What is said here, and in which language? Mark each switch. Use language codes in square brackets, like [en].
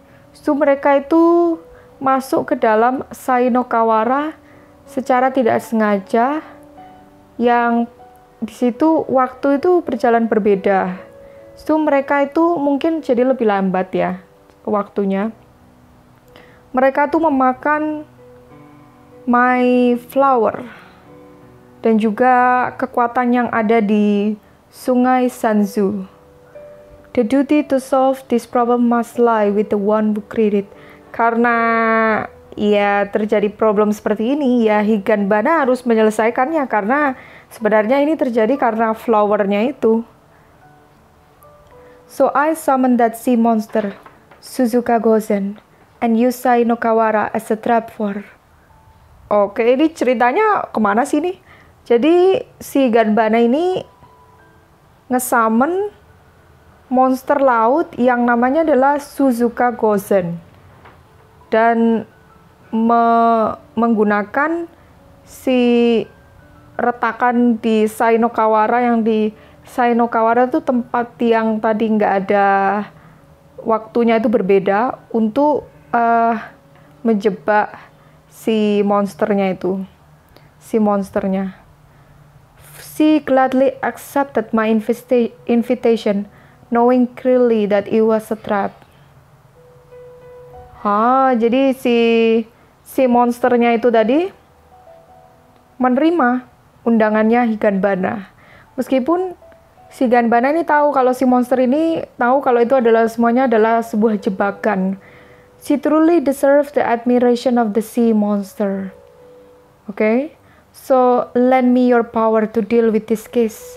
[id] So, mereka itu masuk ke dalam Sainokawara secara tidak sengaja, yang di situ waktu itu berjalan berbeda. So, mereka itu mungkin jadi lebih lambat ya waktunya. Mereka tuh memakan [en] my flower [id] dan juga kekuatan yang ada di Sungai Sanzu. [en] The duty to solve this problem must lie with the one who created. [id] Karena ya terjadi problem seperti ini, ya Higanbana harus menyelesaikannya karena sebenarnya ini terjadi karena flowernya itu. [en] So I summon that sea monster, Suzuka Gozen, and use Sainokawara as a trap for. [id] Oke, ini ceritanya kemana sih nih? Jadi si Ganbana ini nge-summon monster laut yang namanya adalah Suzuka Gozen dan menggunakan si retakan di Sainokawara yang di Sainokawara itu tempat yang tadi nggak ada waktunya itu berbeda untuk menjebak si monsternya itu. Si monsternya. [en] She gladly accepted my invitation, knowing clearly that it was a trap. [id] Jadi si monsternya itu tadi menerima undangannya Higanbana. Meskipun si Ganbana ini tahu kalau si monster ini tahu kalau itu adalah semuanya adalah sebuah jebakan. [en] She truly deserves the admiration of the sea monster. Okay? So, lend me your power to deal with this case.